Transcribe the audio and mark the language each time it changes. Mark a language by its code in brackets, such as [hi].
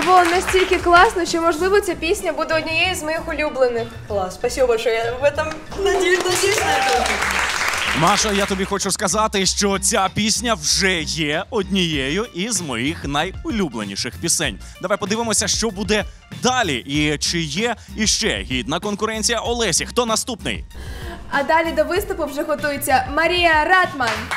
[uk] Настільки класно, що, можливо, ця пісня буде однією з моїх улюблених. [ru] Клас, спасибо большое, я в этом [uk] надіюсь на це. Маша, я тобі хочу сказати, що ця пісня вже є однією із моїх найулюбленіших пісень. Давай подивимося, що буде далі і чи є іще гідна конкуренція Олесі. Хто наступний? А далі до виступу вже готується Марія Ратман.